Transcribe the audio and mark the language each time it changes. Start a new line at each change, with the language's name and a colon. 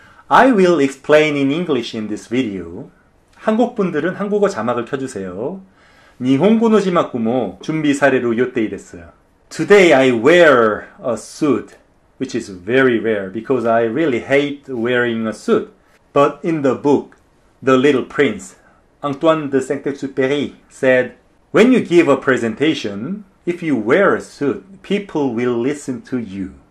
English: I will explain in English in this video.
Korean: 한국 분들은 한국어 자막을 켜주세요.
Japanese: 니혼고노 지마쿠모 준비 사례로 요때이 됐어요.
English: Today I wear a suit, which is very rare because I really hate wearing a suit. But in the book, The Little Prince, Antoine de Saint-Exupéry said, When you give a presentation, if you wear a suit, people will listen to you.